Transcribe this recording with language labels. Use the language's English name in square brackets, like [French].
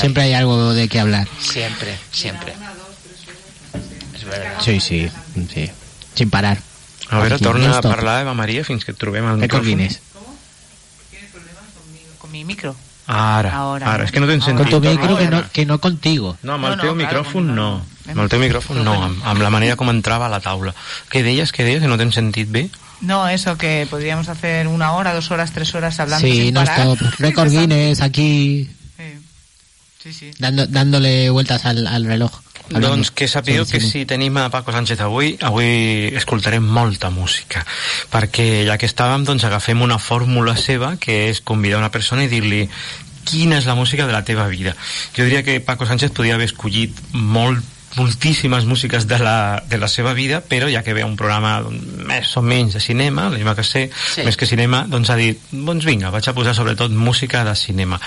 [Spanish] Siempre hay algo de qué hablar. Siempre. Es verdad. Sí. Sin parar. [Catalan] A ver, torna a parlar, Eva María, fins que trobem el micrófono. [Spanish] ¿Tienes problemas con mi micro? Ahora, es que no te encendí. Con tu micro, que no contigo. [Catalan] No, amb el teu micrófono no. Amb el teu micrófono no, amb la manera com entrava a la taula. ¿Qué deies? ¿Que no t'hem sentit bé? [Spanish] No, eso, que podríamos hacer 1 hora, 2 horas, 3 horas hablando sí, sin no parar. Sí, no stop. Record Guinness aquí. Sí. Dándole vueltas al reloj. Hablando. [Catalan] Doncs que sapigueu que si tenim a Paco Sánchez avui escoltarem molta música, perquè ja que estàvem, doncs agafem una fórmula seva, que és convidar una persona i dir-li quina és la música de la teva vida. Jo diria que Paco Sánchez podia haver escollit moltíssimes músiques de la seva vida, però ja que ve un programa més o menys de cinema, l'anima que sé, sí, més que cinema, doncs ha dit, doncs vinga, vaig a posar sobretot música de cinema.